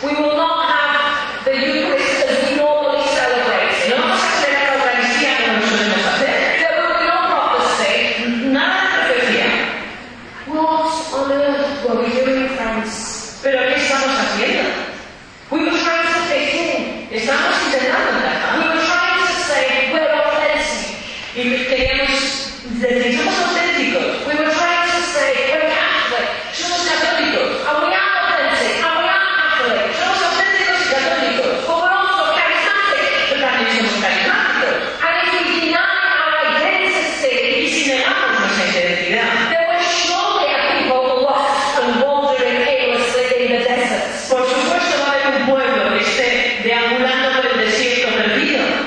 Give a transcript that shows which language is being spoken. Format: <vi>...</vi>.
<en>We will not have the Eucharist as we normally celebrate.</en> <es>No vamos a celebrar la Eucaristía como lo solemos hacer.</es> <en>There will be no prophecy.</en> <es>Nada de profecía.</es> <en>What on earth were we doing, friends?</en> <es>¿Pero qué estamos haciendo?</es> <en>We were trying to fit in.</en> <es>Estamos intentando encajar.</es> <en>We were trying to say, we're authentic.</en> <es>Y queríamos. Somos auténticos.</es> <en>We were trying to say we're Catholic.</en> <es>Somos católicos.</es> <en>And we are authentic. And we are Catholic.</en> <es>Somos auténticos y católicos.</es> <en>But we're also charismatic.</en> <es>Pero también somos carismáticos.</es> <en>And if we deny our identity,</en> <es>y si negamos nuestra identidad,</es> <en>then we're surely a people lost and wandering aimlessly in the desert.</en> <es>Por supuesto va a haber un pueblo que esté deambulando por el desierto perdido.</es>